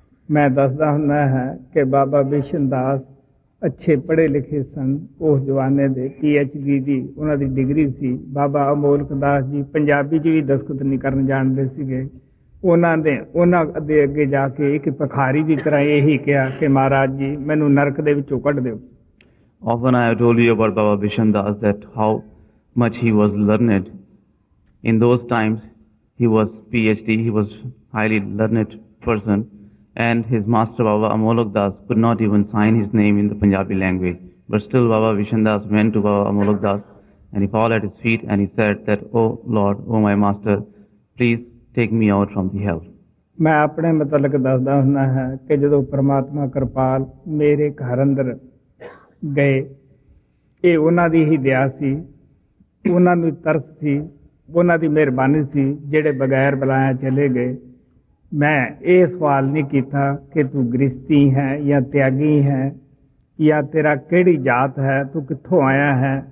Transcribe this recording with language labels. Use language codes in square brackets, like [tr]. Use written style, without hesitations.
[pa] ਮੈਂ ਦੱਸਦਾ ਹੁੰਦਾ ਹਾਂ ਕਿ ਬਾਬਾ ਬਿਸ਼ਨ ਦਾਸ ਅੱਛੇ ਪੜ੍ਹੇ ਲਿਖੇ ਸਨ ਉਸ ਜਵਾਨੇ ਦੇ, PhD ਦੀ ਉਹਨਾਂ ਦੀ ਡਿਗਰੀ ਸੀ। ਬਾਬਾ ਅਮੋਲਕ ਦਾਸ ਜੀ ਪੰਜਾਬੀ 'ਚ ਵੀ ਦਸਤਖਤ ਨਹੀਂ ਕਰਨ ਜਾਣਦੇ ਸੀਗੇ। ਉਹਨਾਂ ਦੇ ਅੱਗੇ ਜਾ ਕੇ ਇੱਕ ਭਿਖਾਰੀ ਦੀ ਤਰ੍ਹਾਂ ਇਹੀ ਕਿਹਾ ਕਿ ਮਹਾਰਾਜ ਜੀ ਮੈਨੂੰ ਨਰਕ ਦੇ ਵਿੱਚੋਂ ਕੱਢ ਦਿਓ। [en] Often I have told you about Baba Bishan Das, that how much he was learned. In those times, he was PhD, he was highly learned person, and his master Baba Amolak Das could not even sign his name in the Punjabi language. But still Baba Bishan Das went to Baba Amolak Das and he fell at his feet and he said that, "Oh Lord, oh my master, please take me out from the hell." [pa] ਮੈਂ ਆਪਣੇ ਮਤਲਬ ਦੱਸਦਾ ਹੁੰਦਾ ਹਾਂ ਕਿ ਜਦੋਂ ਪਰਮਾਤਮਾ ਕਿਰਪਾਲ ਮੇਰੇ ਘਰ ਅੰਦਰ ਗਏ, ਇਹ ਉਹਨਾਂ ਦੀ ਹੀ ਦਿਆ ਸੀ, ਉਹਨਾਂ ਨੂੰ ਤਰਸ ਸੀ, ਉਹਨਾਂ ਦੀ ਮਿਹਰਬਾਨੀ ਸੀ ਜਿਹੜੇ ਬਗੈਰ ਬੁਲਾਇਆ ਚਲੇ ਗਏ। ਮੈਂ ਇਹ ਸਵਾਲ ਨਹੀਂ ਕੀਤਾ ਕਿ ਤੂੰ ਗ੍ਰਿਸਤੀ ਹੈ ਜਾਂ ਤਿਆਗੀ ਹੈ ਜਾਂ ਤੇਰਾ ਕਿਹੜੀ ਜਾਤ ਹੈ, ਤੂੰ ਕਿੱਥੋਂ ਆਇਆ ਹੈ।